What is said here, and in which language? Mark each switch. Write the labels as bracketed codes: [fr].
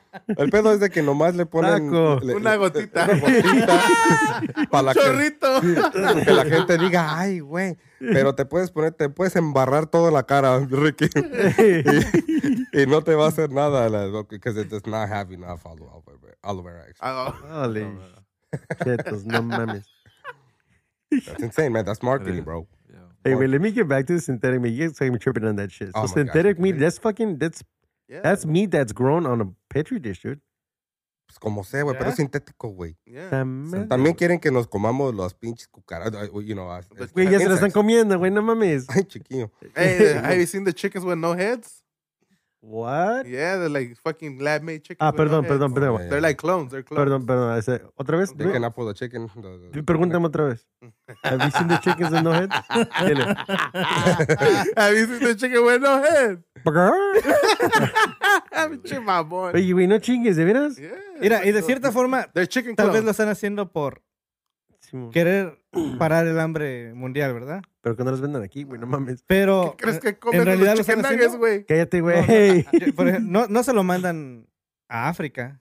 [es] El pedo es de que nomás le ponen... Una gotita. para un chorrito. Que la gente diga, ay, güey. Pero te puedes poner, te puedes embarrar toda la cara, Ricky. y no te va a hacer nada. [en] Because it does not have enough aloe vera. Holy chetos, [es] no mames. [en] That's insane, man. That's marketing, bro. Yeah. Hey, wait, let me get back to the synthetic meat. You're talking about tripping on that shit. So synthetic meat, that's fucking, that's meat that's grown on a petri dish, dude. [es] Pues como sea, güey, pero es sintético, güey. [en] Yeah. [es] También quieren que nos comamos las pinches cucarachas, [en] you know. [es] Güey, ya se las están comiendo, güey, no mames. Ay, chiquillo. [en] Hey, have you seen the chickens with no heads? What? Yeah, they're like fucking lab-made chickens. [es] Ah, perdón. [en] Yeah. They're like clones, [es] Perdón. Ese, ¿otra vez? [en] They can apple the chicken. [es] Pregúntame otra vez. [en] Have you seen the chickens with no heads? Have you seen the chicken with no heads? [es] Oye, güey, no chingues, ¿de veras? [en] Yeah, [es] mira, y de cierta forma, tal vez lo están haciendo por querer parar el hambre mundial, ¿verdad? Pero que no los vendan aquí, güey, no mames. Pero, ¿qué crees que comen en realidad los chicken nuggets, güey? Cállate, güey. No se lo mandan a África.